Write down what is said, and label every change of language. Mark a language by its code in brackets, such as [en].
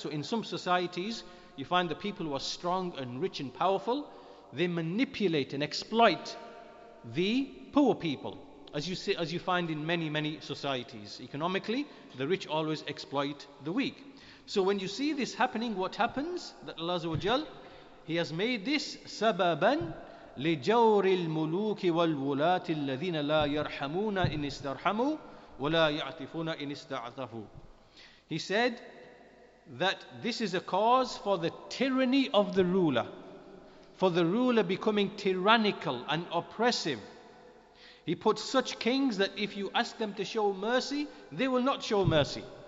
[en] So in some societies, you find the people who are strong and rich and powerful, they manipulate and exploit the poor people, as you find in many, many societies. Economically, the rich always exploit the weak. So when you see this happening, what happens? That Allah Azza wa Jal, He has made this sababan [ar] لجور الملوك والولاة الذين لا يرحمون إن استرحموا ولا يعطفون إن استعطفوا. [en] He said that this is a cause for the tyranny of the ruler, for the ruler becoming tyrannical and oppressive. He puts such kings that if you ask them to show mercy, they will not show mercy.